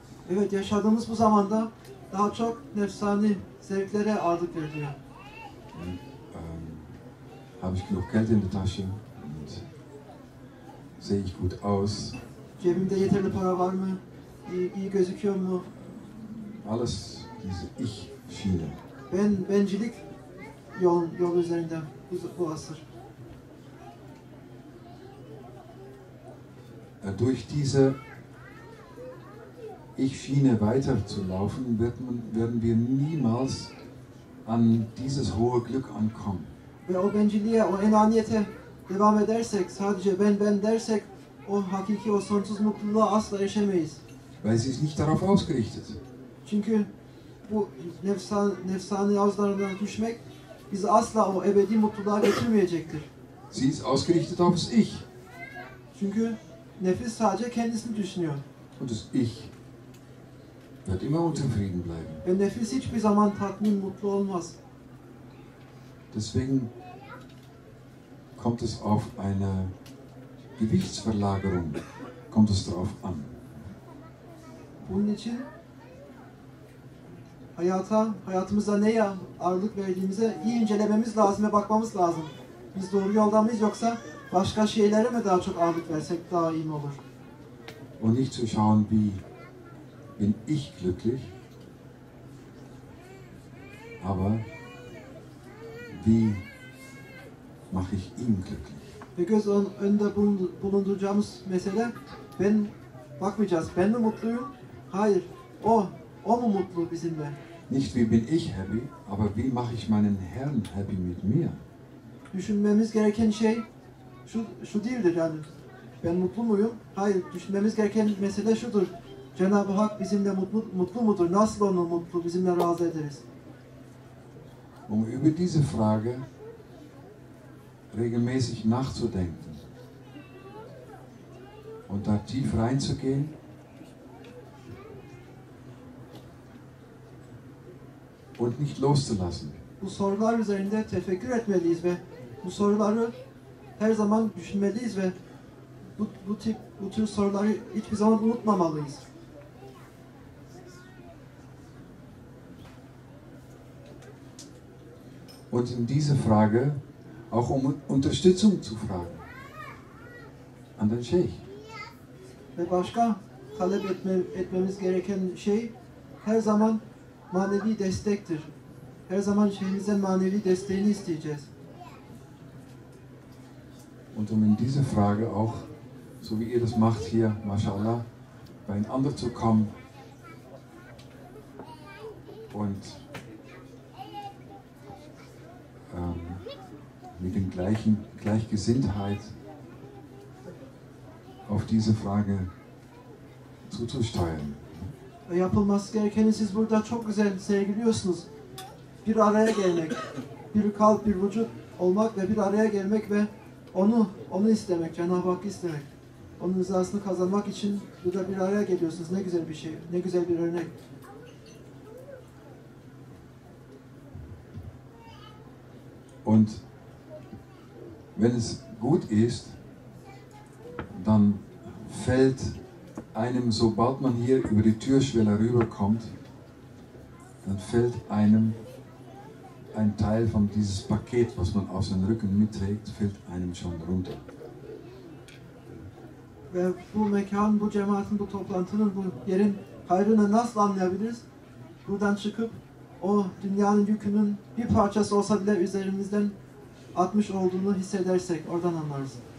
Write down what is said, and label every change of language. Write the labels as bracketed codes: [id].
[tr] Evet, yaşadığımız bu zamanda daha çok nefsani zevklere ağırlık veriliyor. [de] Habe ich genug Geld in der Tasche und sehe ich gut aus? [tr] Cebimde yeterli para var mı? İyi gözüküyor mu? [de] Alles diese Ich-Schiene. [tr] Bencilik yol üzerinde bu asır. [de] Durch diese Ich-Schiene weiterzulaufen, werden wir niemals an dieses hohe Glück ankommen. [tr] Ve o benciliğe, o enaniyete devam edersek, sadece ben dersek, o hakiki, o sonsuz mutluluğa asla erişemeyiz. [de] Weil sie ist nicht darauf ausgerichtet. [tr] Çünkü bu nefsani ağızlarından düşmek bizi asla o ebedi mutluluğa getirmeyecektir. [de] Sie ist ausgerichtet aufs Ich. [tr] Çünkü nefis sadece kendisini düşünüyor. [de] Und das Ich wird immer unzufrieden bleiben. [tr] Ve nefis hiçbir zaman tatmin, mutlu olmaz. [de] Deswegen kommt es auf eine Gewichtsverlagerung, kommt es darauf an. [tr] Bunun için hayatımıza neye ağırlık verdiğimize iyi incelememiz lazım ve bakmamız lazım. Biz doğru yolda mıyız yoksa başka şeylere mi daha çok ağırlık versek daha iyi mi olur? [de] Und nicht zu schauen, wie bin ich glücklich, aber wie mache ich ihn glücklich? [tr] Ve göz önünde bulunduracağımız mesele, ben bakmayacağız, ben mi mutluyum? Hayır, o mu mutlu bizimle? [de] Nicht wie bin ich happy, aber wie mache ich meinen Herrn happy mit mir? [tr] Düşünmemiz gereken şey şu değildir yani. Ben mutlu muyum? Hayır, düşünmemiz gereken mesele şudur. Cenab-ı Hak bizimle mutlu mudur? Nasıl onu mutlu, bizimle razı ederiz? [de] Um über diese Frage regelmäßig nachzudenken und da tief reinzugehen, und nicht loszulassen. [tr] Bu sorular üzerinde tefekkür etmeliyiz ve bu soruları her zaman düşünmeliyiz ve bu tür soruları hiçbir zaman unutmamalıyız. [de] Und in diese Frage auch um Unterstützung zu fragen an den Sheikh. [tr] Ve başka talep etmemiz gereken şey her zaman manevi destektir. Her zaman şeyhimizden manevi desteğini isteyeceğiz. [de] Und um in diese Frage auch so wie ihr das macht hier, mashallah, beieinander zu kommen und mit dem gleichen Gleichgesinntheit auf diese Frage zuzusteuern. [tr] Yapılması gereken siz burada çok güzel sergiliyorsunuz. Bir araya gelmek, bir kalp, bir vücut olmak ve bir araya gelmek ve onu istemek, Cenab-ı Hakk'ı istemek. Onun rızasını kazanmak için burada bir araya geliyorsunuz. Ne güzel bir şey, ne güzel bir örnek. [de] Und wenn es gut ist, dann fällt einem, sobald man hier über die Türschwelle rüberkommt, dann fällt einem ein Teil von dieses Paket, was man auf seinem Rücken mitträgt, fällt einem schon runter. [tr] Ve bu mekan, bu cemaatin, bu toplantının, bu yerin hayrını nasıl anlayabiliriz? Buradan çıkıp o dünyanın yükünün bir parçası olsa bile üzerimizden atmış olduğunu hissedersek oradan anlarız.